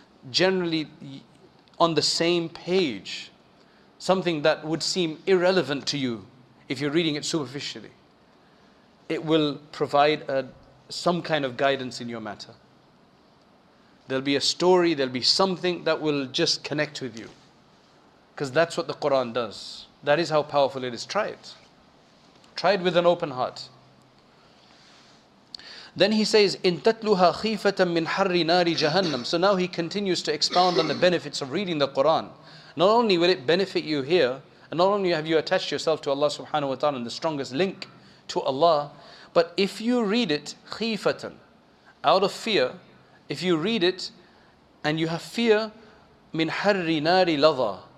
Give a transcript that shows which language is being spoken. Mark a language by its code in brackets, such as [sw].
[en] Generally, on the same page, something that would seem irrelevant to you if you're reading it superficially, it will provide some kind of guidance in your matter. There'll be a story, there'll be something that will just connect with you. Because that's what the Quran does. That is how powerful it is. Try it. Try it with an open heart. Then he says, [ar] إِن تَتْلُهَا خِيفَةً مِّنْ حَرِّ نَارِ جَهَنَّمْ. [en] So now he continues to expound on the benefits of reading the Quran. Not only will it benefit you here, and not only have you attached yourself to Allah subhanahu wa ta'ala and the strongest link to Allah, but if you read it, خِيفَةً, out of fear, if you read it and you have fear, [ar] مِّنْ حَرِّ نَارِ لَظَى.